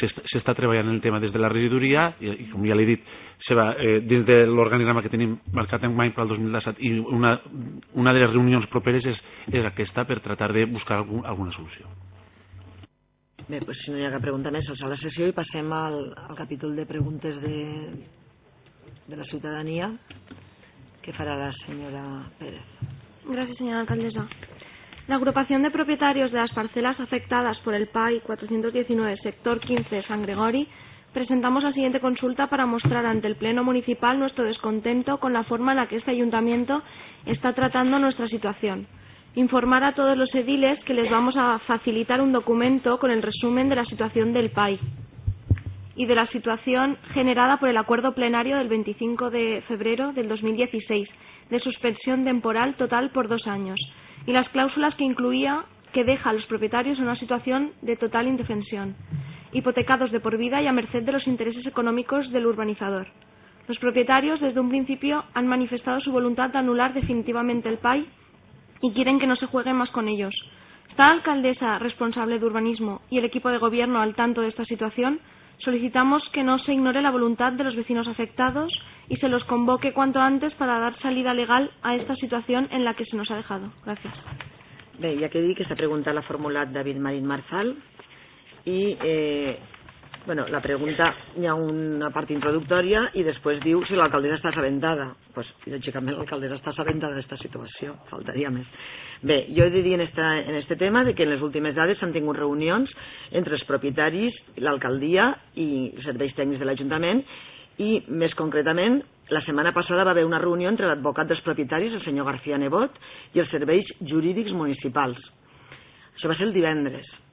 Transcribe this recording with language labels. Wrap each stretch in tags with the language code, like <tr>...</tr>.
<ca>S'està treballant en el tema des de la regidoria, i com ja l'he dit, dins de l'organigrama que tenim marcat en Maine per al 2017, i una de les reunions properes és aquesta, per tratar de buscar alguna solució. Bé, doncs si no hi ha cap pregunta més, s'alça la sessió i passem al capítol de preguntes de la ciutadania, que farà la senyora Pérez. Gràcies, senyora alcaldessa.</ca> <es>La agrupación de propietarios de las parcelas afectadas por el PAI 419, sector 15, San Gregori, presentamos la siguiente consulta para mostrar ante el Pleno Municipal nuestro descontento con la forma en la que este ayuntamiento está tratando nuestra situación. Informar a todos los ediles que les vamos a facilitar un documento con el resumen de la situación del PAI y de la situación generada por el acuerdo plenario del 25 de febrero del 2016 de suspensión temporal total por 2 años. Y las cláusulas que incluía que deja a los propietarios en una situación de total indefensión, hipotecados de por vida y a merced de los intereses económicos del urbanizador. Los propietarios desde un principio han manifestado su voluntad de anular definitivamente el PAI y quieren que no se juegue más con ellos. ¿Está la alcaldesa responsable de urbanismo y el equipo de gobierno al tanto de esta situación? Solicitamos que no se ignore la voluntad de los vecinos afectados y se los convoque cuanto antes para dar salida legal a esta situación en la que se nos ha dejado. Gracias.</es> <ca>Bé, ja que dic, aquesta pregunta l'ha formulat David Marín Marzal i, bueno, la pregunta, hi ha una part introductòria i després diu si l'alcaldessa està assabentada. Pues, lògicament, l'alcaldessa està assabentada d'aquesta situació, faltaria més. Bé, jo he de dir en este tema de que en les últimes dades s'han tingut reunions entre els propietaris, l'alcaldia i els serveis tècnics de l'Ajuntament, i més concretament la setmana passada va haver una reunió entre l'advocat dels propietaris, el senyor García Nebot, i els serveis jurídics municipals. Això va ser el divendres.</ca>